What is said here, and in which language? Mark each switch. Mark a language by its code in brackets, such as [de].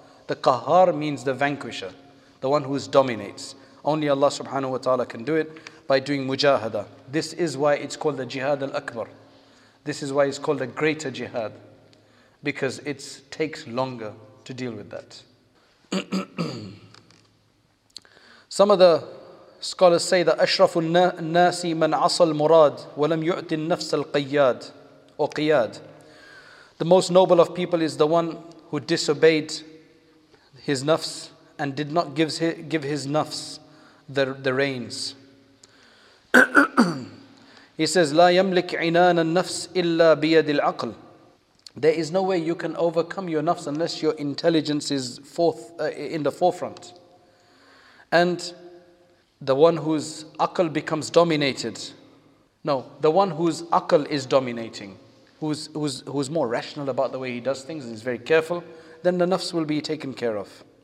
[en] The qahar means the vanquisher, the one who dominates. Only Allah subhanahu wa ta'ala can do it by doing mujahada. This is why it's called the jihad al-akbar. This is why it's called the greater jihad. Because it takes longer to deal with that. Some of the scholars say that [ar] أَشْرَفُ النَّاسِ مَنْ عَصَى الْمُرَادِ وَلَمْ يُعْتِ النَّفْسَ الْقِيَادِ [en] or [ar] قِيَادِ. [en] The most noble of people is the one who disobeyed his nafs and did not give his nafs the reins. He says, [ar] لَا يَمْلِكْ عِنَانَ النَّفْسِ إِلَّا بِيَدِ الْعَقْلِ. [en] There is no way you can overcome your nafs unless your intelligence is in the forefront. And the one whose aql becomes dominated. No, the one whose aql is dominating, who's more rational about the way he does things and is very careful, then the nafs will be taken care of.